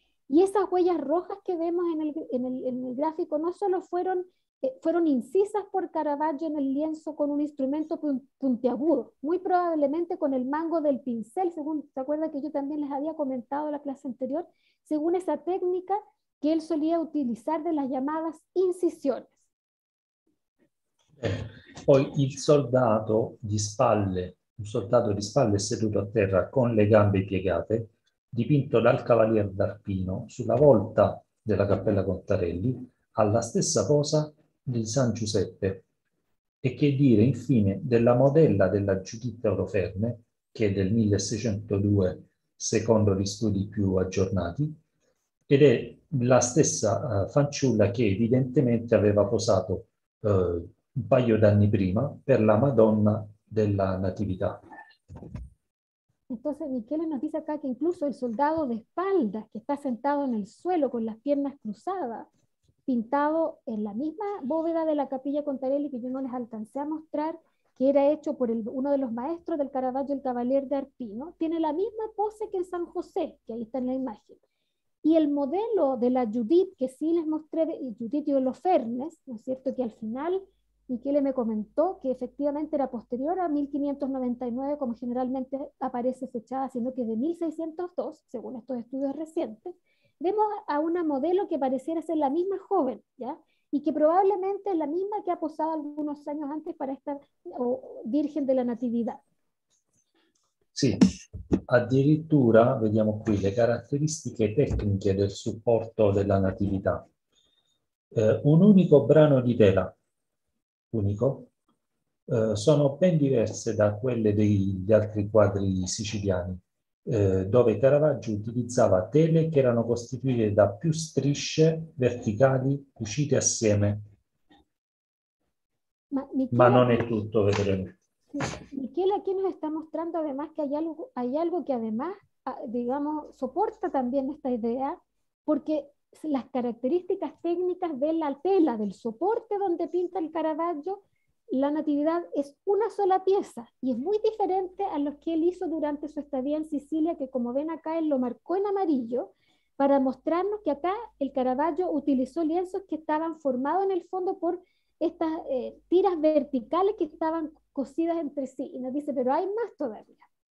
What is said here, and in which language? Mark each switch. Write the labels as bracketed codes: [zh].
[es] Y esas huellas rojas que vemos en el gráfico no solo fueron incisas por Caravaggio en el lienzo con un instrumento puntiagudo, muy probablemente con el mango del pincel, según, ¿se acuerda que yo también les había comentado en la clase anterior? Según esa técnica que él solía utilizar de las llamadas incisiones. [it] Poi il soldato di spalle, un soldato di spalle seduto a terra con le gambe piegate, dipinto dal cavalier d'Arpino sulla volta della Cappella Contarelli, alla stessa posa di San Giuseppe. E che dire infine della modella della Giuditta Oloferne, che è del 1602, secondo gli studi più aggiornati, ed è la stessa fanciulla che evidentemente aveva posato un paio d'anni prima per la Madonna della Natività. [es] Entonces, Michele nos dice acá que incluso el soldado de espaldas que está sentado en el suelo con las piernas cruzadas, pintado en la misma bóveda de la Capilla Contarelli que yo no les alcancé a mostrar, que era hecho por uno de los maestros del Caravaggio, el Cavalier de Arpino, tiene la misma pose que en San José, que ahí está en la imagen. Y el modelo de la Judith, que sí les mostré, Judith y Holofernes, ¿no es cierto? Que al final Michele me comentó que efectivamente era posterior a 1599, como generalmente aparece fechada, sino que de 1602, según estos estudios recientes, vemos a una modelo que pareciera ser la misma joven, ¿ya? Y que probablemente es la misma que ha posado algunos años antes para esta Virgen de la Natividad. [it] Sì, addirittura vediamo qui le caratteristiche tecniche del supporto della Natività. Un unico brano di tela, unico, sono ben diverse da quelle degli altri quadri siciliani, dove Caravaggio utilizzava tele che erano costituite da più strisce verticali cucite assieme. Ma non è tutto, vedremo. [es] Michela aquí nos está mostrando además que hay algo que además, digamos, soporta también esta idea, porque las características técnicas de la tela, del soporte donde pinta el Caravaggio, la Natividad es una sola pieza y es muy diferente a los que él hizo durante su estadía en Sicilia, que como ven acá él lo marcó en amarillo para mostrarnos que acá el Caravaggio utilizó lienzos que estaban formados en el fondo por estas tiras verticales que estaban cosidas entre sí, y nos dice, pero hay más todavía.